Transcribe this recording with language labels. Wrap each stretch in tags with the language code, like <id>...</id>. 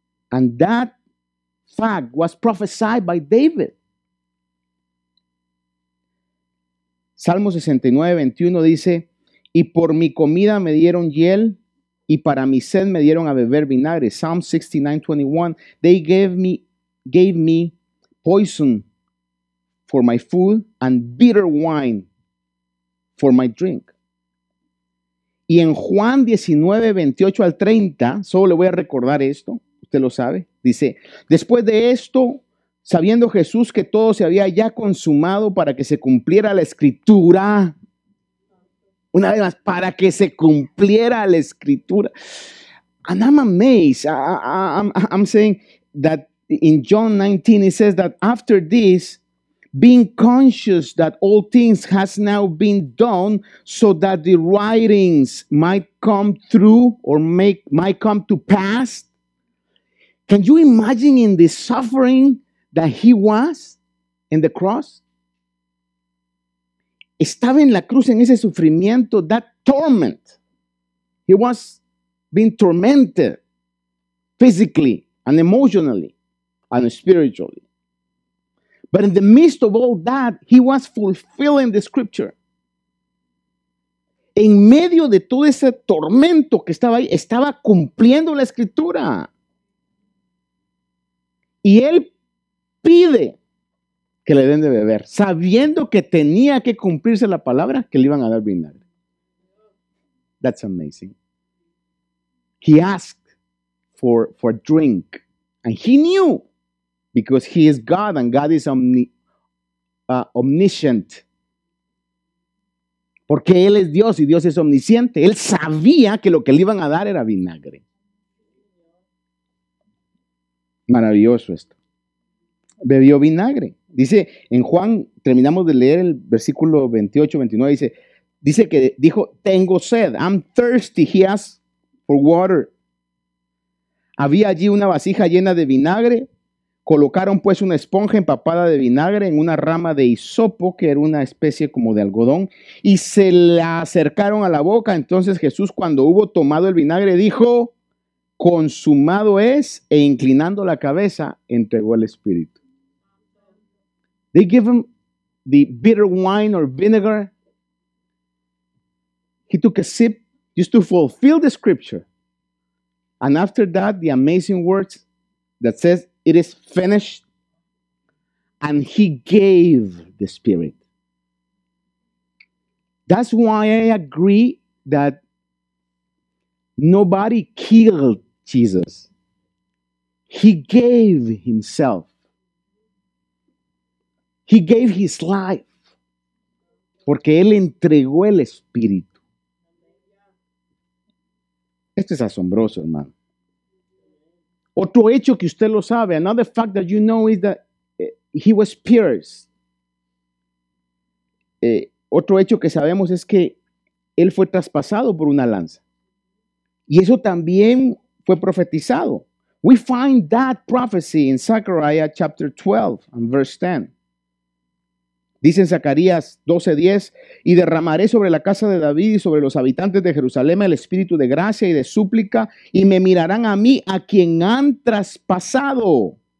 <en>And that fact was prophesied by David.</en> <es>Salmo 69:21 dice, y por mi comida me dieron hiel, y para mi sed me dieron a beber vinagre.</es> <en>Psalm 69:21, they gave me poison for my food and bitter wine for my drink.</en> <es>Y en Juan 19:28-30, solo le voy a recordar esto, usted lo sabe, dice, después de esto, sabiendo Jesús que todo se había ya consumado para que se cumpliera la escritura. Una vez más, para que se cumpliera la escritura.</es> <en>And I'm amazed. I'm saying that in John 19, it says that after this, being conscious that all things has now been done so that the writings might come through or might come to pass. Can you imagine in the suffering that he was in the cross?</en> <es>Estaba en la cruz en ese sufrimiento,</es> <en>that torment. He was being tormented physically and emotionally and spiritually. But in the midst of all that, he was fulfilling the scripture.</en> <es>En medio de todo ese tormento que estaba ahí, estaba cumpliendo la escritura. Y él pide que le den de beber, sabiendo que tenía que cumplirse la palabra, que le iban a dar vinagre.</es> <en>That's amazing. He asked for a drink, and he knew, because he is God, and God is omniscient.</en> <es>Porque él es Dios, y Dios es omnisciente. Él sabía que lo que le iban a dar era vinagre. Maravilloso esto. Bebió vinagre. Dice en Juan, terminamos de leer el versículo 28-29, dice que dijo, tengo sed,</es> <en>I'm thirsty, he asked for water.</en> <es>Había allí una vasija llena de vinagre, colocaron pues una esponja empapada de vinagre en una rama de hisopo, que era una especie como de algodón, y se la acercaron a la boca. Entonces Jesús, cuando hubo tomado el vinagre, dijo, consumado es, e inclinando la cabeza, entregó el espíritu.</es> <en>They give him the bitter wine or vinegar. He took a sip just to fulfill the scripture. And after that, the amazing words that says, it is finished. And he gave the spirit. That's why I agree that nobody killed Jesus. He gave himself. He gave his life,</en> <es>porque él entregó el espíritu. Esto es asombroso, hermano. Otro hecho que usted lo sabe,</es> <en>another fact that you know is that he was pierced.</en> <es>Otro hecho que sabemos es que él fue traspasado por una lanza. Y eso también fue profetizado.</es> <en>We find that prophecy in Zechariah chapter 12 and verse 10.</en> <es>Dice en Zacarías 12:10, y derramaré sobre la casa de David y sobre los habitantes de Jerusalén el espíritu de gracia y de súplica, y me mirarán a mí, a quien han traspasado.</es>